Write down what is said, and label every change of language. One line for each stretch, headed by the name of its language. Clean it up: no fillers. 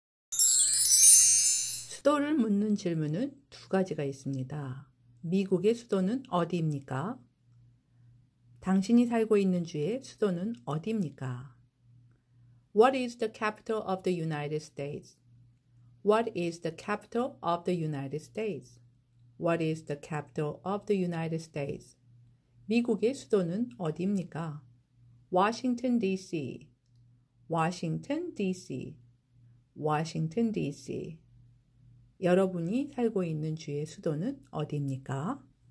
Korean: 수도를 묻는 질문은 두 가지가 있습니다. 미국의 수도는 어디입니까? 당신이 살고 있는 주의 수도는 어디입니까?
English: What is the capital of the United States? What is the capital of the United States? What is the capital of the United States?
Korean: 미국의 수도는 어디입니까?
English: Washington, D.C. Washington, D.C. Washington, D.C.
Korean: 여러분이 살고 있는 주의 수도는 어디입니까?